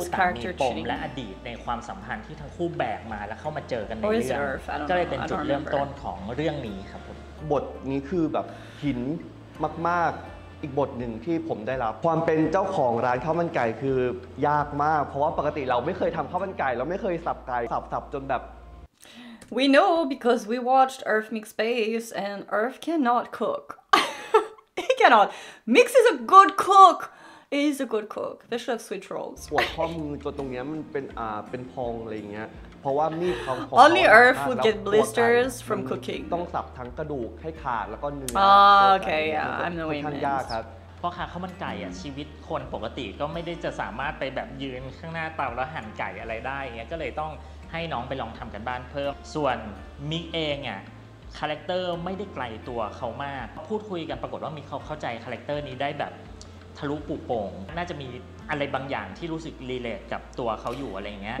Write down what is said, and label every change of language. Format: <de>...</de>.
<th>างมีปมและอดีตในความสัมพันธ์ที่ทั้งคู่แบกมาแล้วเข้ามาเจอกันในเรื่องก็เลยเป็นจุดเริ่มต้นของเรื่องนี้ครับ บทนี้คือแบบหินมากๆอีกบทนึงที่ผมได้รับความเป็นเจ้าของร้านข้าวมันไก่คือยากมากเพราะว่าปกติเราไม่เคยทำข้าวมันไก่เราไม่เคยสับไก่สับจนแบบ</th> <en>We know because we watched Earth Mix Base and Earth cannot cook He cannot Mix is a good cook He is a good cook They should have switched roles</en> <th>ปวดข้อมือจนตรงนี้มันเป็นพองอะไรเงี้ยเพราะว่ามีดเขา</th> <en>Only Earth would get blisters from cooking</en> <th>ต้องสับทั้งกระดูกให้ขาดแล้วก็เนื้อ</th> <en>okay yeah I'm the way man</en> <th>พ่อค้าข้าวมันไก่อ่ะชีวิตคนปกติก็ไม่ได้จะสามารถไปแบบยืนข้างหน้าเตาแล้วหั่นไก่อะไรได้เงี้ยก็เลยต้องให้น้องไปลองทำกันบ้านเพิ่มส่วนมิกเองอ่ะคาแรคเตอร์ไม่ได้ไกลตัวเขามากพูดคุยกันปรากฏว่ามิกเขาเข้าใจคาแรคเตอร์นี้ได้แบบทะลุปุโป่งน่าจะมีอะไรบางอย่างที่รู้สึกรีเลทกับตัวเขาอยู่อะไรเงี้ย</th>